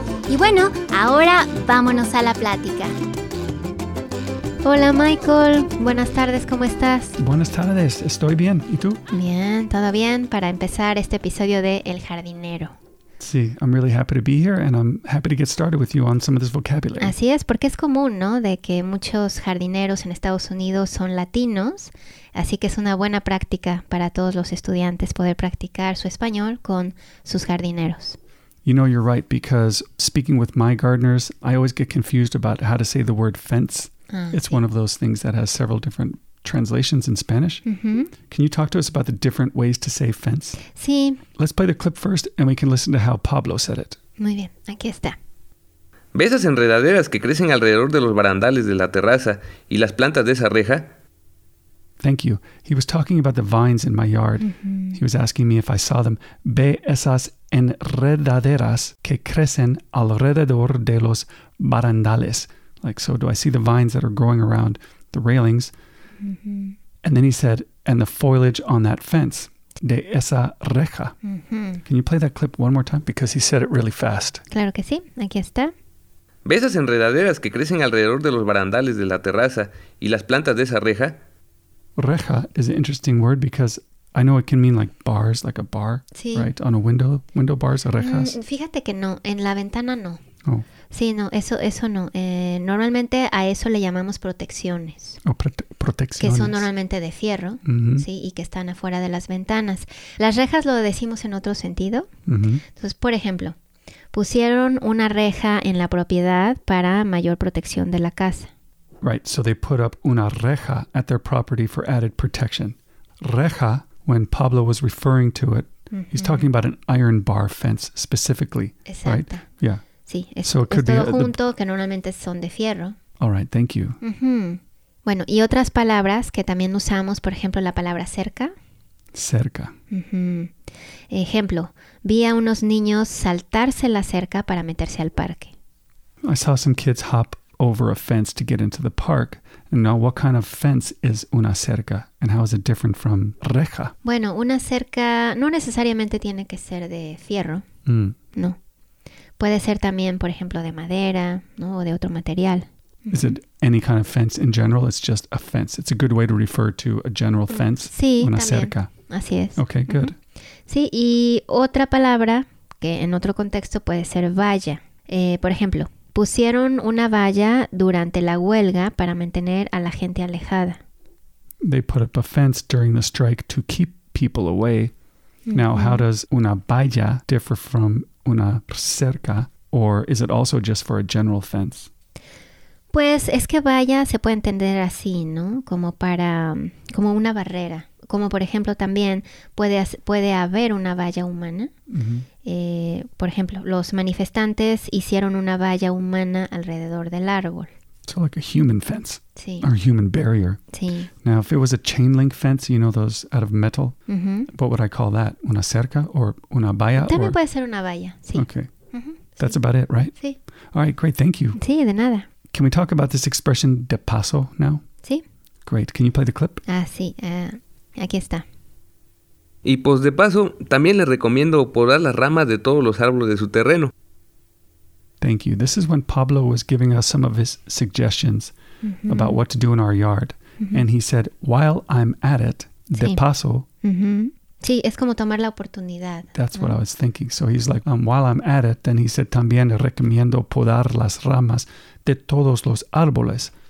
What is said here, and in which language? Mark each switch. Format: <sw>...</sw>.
<es>Y bueno, ahora vámonos a la plática. Hola, Michael. Buenas tardes, ¿cómo estás? Buenas tardes, estoy bien. ¿Y tú? Bien, todo bien. Para empezar este episodio de El Jardinero.</es> <en>Sí, I'm really happy to be here and I'm happy to get started with you on some of this vocabulary.</en> <es>Así es, porque es común, ¿no? De que muchos jardineros en Estados Unidos son latinos, así que es una buena práctica para todos los estudiantes poder practicar su español con sus jardineros.</es> <en>You know, you're right, because speaking with my gardeners, I always get confused about how to say the word fence. It's one of those things that has several different translations in Spanish. Mm-hmm. Can you talk to us about the different ways to say fence?</en> <es>Sí.</es> <en>Let's play the clip first and we can listen to how Pablo said it.</en> <es>Muy bien, aquí está. ¿Ves esas enredaderas que crecen alrededor de los barandales de la terraza y las plantas de esa reja?</es> <en>Thank you. He was talking about the vines in my yard. Mm-hmm. He was asking me if I saw them.</en> <es>¿Ve esas enredaderas que crecen alrededor de los barandales?</es> <en>Like, so do I see the vines that are growing around the railings? Mm-hmm. And then he said, and the foliage on that fence,</en> <es>de esa reja. Mm-hmm.</es> <en>Can you play that clip one more time? Because he said it really fast.</en> <es>Claro que sí. Aquí está. ¿Ves esas enredaderas que crecen alrededor de los barandales de la terraza y las plantas de esa reja?</es> <en>Reja is an interesting word because I know it can mean like bars, like a bar,</en> <es>sí.</es> <en>Right? On a window, window bars, rejas.</en> <es>Fíjate que no, en la ventana no. Oh. Sí, no, eso no. Normalmente a eso le llamamos protecciones. Oh, protecciones. Que son normalmente de fierro, mm-hmm. Sí, y que están afuera de las ventanas. Las rejas lo decimos en otro sentido. Mm-hmm. Entonces, por ejemplo, pusieron una reja en la propiedad para mayor protección de la casa.</es> <en>Right, so they put up una reja at their property for added protection. Reja, when Pablo was referring to it, mm-hmm. He's talking about an iron bar fence specifically.</en> <es>Exacto.</es> <en>Right? Yeah.</en> <es>Sí, es todo junto, que normalmente son de fierro.</es> <en>All right, thank you. Uh-huh.</en> <es>Bueno, y otras palabras que también usamos, por ejemplo, la palabra cerca. Cerca. Uh-huh. Ejemplo, vi a unos niños saltarse la cerca para meterse al parque.</es> <en>I saw some kids hop over a fence to get into the park. Now, what kind of fence is una cerca? And how is it different from reja?</en> <es>Bueno, una cerca no necesariamente tiene que ser de fierro. Mm. No. Puede ser también, por ejemplo, de madera, ¿no? O de otro material.</es> <en>Is it any kind of fence in general? It's just a fence. It's a good way to refer to a general fence.</en> <es>Sí, una también. Cerca. Así es.</es> <en>Okay, good. Uh-huh.</en> <es>Sí, y otra palabra que en otro contexto puede ser valla. Por ejemplo, pusieron una valla durante la huelga para mantener a la gente alejada.</es> <en>They put up a fence during the strike to keep people away. Now, how does una valla differ from una cerca, or is it also just for a general fence?</en> <es>Pues es que valla se puede entender así, ¿no? Como para, como una barrera. Como por ejemplo también puede haber una valla humana. Mm-hmm. Por ejemplo, los manifestantes hicieron una valla humana alrededor del árbol.</es> <en>So like a human fence.</en> <es>Sí.</es> <en>Or a human barrier.</en> <es>Sí.</es> <en>Now, if it was a chain link fence, you know those out of metal, mm-hmm. What would I call that? Una cerca or una valla?</en> <es>También</es> <en>or...</en> <es>puede ser una valla, sí.</es> <en>Okay. Mm-hmm. That's sí. About it, right?</en> <es>Sí.</es> <en>All right, great. Thank you.</en> <es>Sí, de nada.</es> <en>Can we talk about this expression de paso now?</en> <es>Sí.</es> <en>Great. Can you play the clip?</en> <es>Sí. Aquí está. Y pues de paso, también le recomiendo podar las ramas de todos los árboles de su terreno.</es> <en>Thank you. This is when Pablo was giving us some of his suggestions mm-hmm. about what to do in our yard. Mm-hmm. And he said, while I'm at it, de</en> <es>sí. paso. Mm-hmm. Sí, es como tomar la oportunidad.</es> <en>That's what I was thinking. So he's like, while I'm at it, then he said,</en> <es>también recomiendo podar las ramas de todos los árboles.</es>